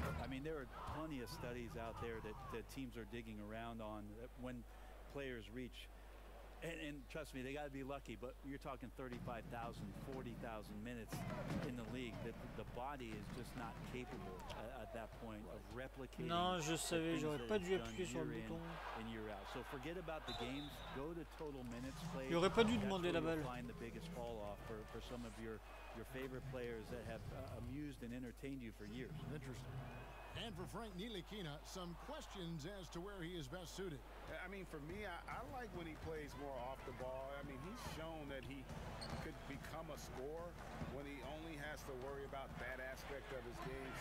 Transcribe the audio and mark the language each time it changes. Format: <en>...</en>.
<en>I mean, there are plenty of studies out there that teams are digging around on that when players reach. And trust me, they got to be lucky, but you're talking 35,000, 40,000 minutes in the league. The body is just not capable at that point of replicating.</en> <fr>Non, je savais, j'aurais pas dû appuyer sur le bouton.</fr> <en>And you're out. So forget about the games. Go to total minutes played.</en> <fr>J'aurais pas dû demander la balle.</fr> <en>Find the biggest fall off for some of your favorite players that have amused and entertained you for years. Interesting. And for Frank Ntilikina, some questions as to where he is best suited. I mean, for me, I like when he plays more off the ball. I mean, he's shown that he could become a scorer when he only has to worry about that aspect of his game.</en>